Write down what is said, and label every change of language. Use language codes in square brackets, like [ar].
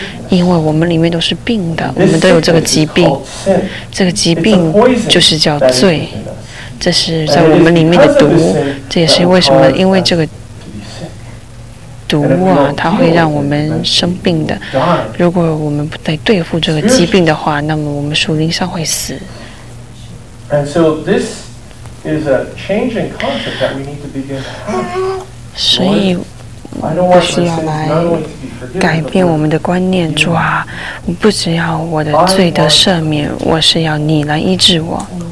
[zh] 因为我们里面都是病的，我们都有这个疾病。这个疾病就是叫罪，这是在我们里面的毒。这也是为什么，因为这个毒啊，它会让我们生病的。如果我们不得对付这个疾病的话，那么我们属灵上会死。 [en] And so this is a change in concept that we need to begin to have. [zh] 所以我需要来改变我们的观念，主啊，不只要我的罪得赦免，我是要你来医治我。